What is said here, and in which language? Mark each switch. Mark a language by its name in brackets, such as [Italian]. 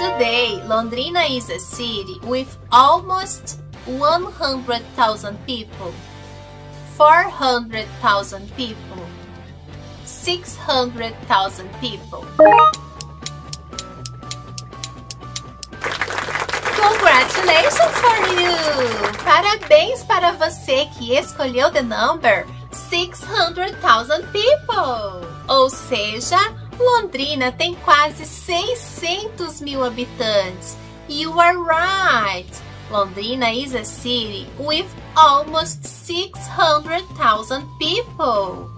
[English] Today, Londrina is a city with almost 100,000 people, 400,000 people, 600,000 people. Congratulations for you! [Portuguese] Parabéns para você que escolheu [English] the number 600,000 people! [Portuguese] Ou seja, Londrina tem quase 600 mil habitantes. [English] You are right! Londrina is a city with almost 600,000 people!